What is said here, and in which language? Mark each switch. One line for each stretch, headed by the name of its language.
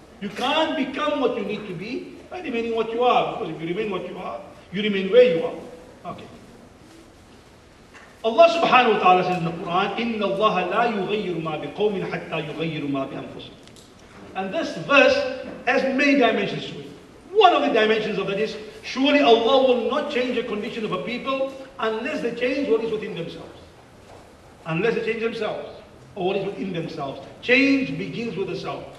English: You can't become what you need to be by remaining what you are. Because if you remain what you are, you remain where you are. Okay. Allah subhanahu wa ta'ala says in the Quran,
Arabic: إِنَّ اللَّهَ لَا يُغَيِّرُ مَا بِقَوْمٍ حَتَّى يُغَيِّرُ مَا بِأَنفُسٍ.
English: And this verse has many dimensions to it. One of the dimensions of that is, surely Allah will not change the condition of a people unless they change what is within themselves. Unless they change themselves or what is within themselves. Change begins with the self.